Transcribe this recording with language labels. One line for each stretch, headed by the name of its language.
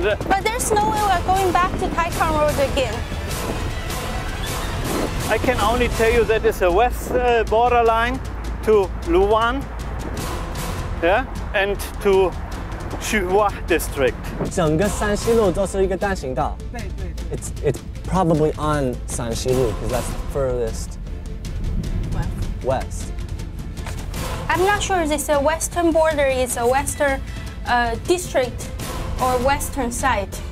English: but there's no way we're going back to Taikang Road again. I can only tell you that it's a west borderline to Luwan. Yeah, and to Shuhua district.
Chinese: 整个山西路都是一个单行道. 对对对.
English: It's probably on 山西路 because that's the furthest west. I'm not sure this a western border is a western district or western side.